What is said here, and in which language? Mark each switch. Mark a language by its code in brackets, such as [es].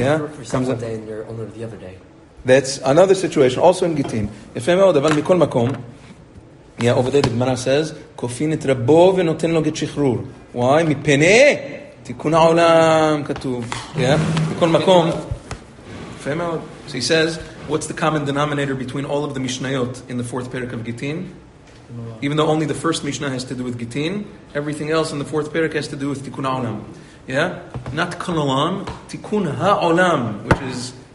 [en] For someone day and your owner the other day. That's another situation, also in Gittin. [he] יפה מאוד, אבל מכל מקום, [en] yeah, over there, the Gemara says, [he] כופין את רבו ונותן לו גט שחרור. [en] Why? [he] מפני, תיקון העולם, כתוב. Yeah, מכל מקום, יפה מאוד. [en] So he says, what's the common denominator between all of the Mishnayot in the fourth perek of Gittin? Even though only the first Mishnah has to do with Gittin, everything else in the fourth perek has to do with תיקון העולם. Yeah? Not תיקון העולם, תיקון העולם, which is...